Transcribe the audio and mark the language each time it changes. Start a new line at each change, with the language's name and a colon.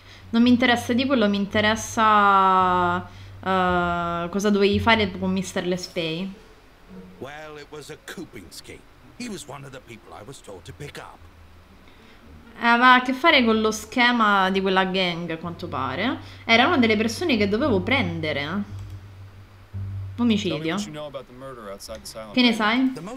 Italian: Non mi interessa di quello, mi interessa cosa dovevi fare con Mr. LeSpay.
English: Well, it was a coping scheme. He was one of the people I was told to pick up.
Italian: Aveva a che fare con lo schema di quella gang, a quanto pare. Era una delle persone che dovevo prendere. Omicidio. Che ne sai?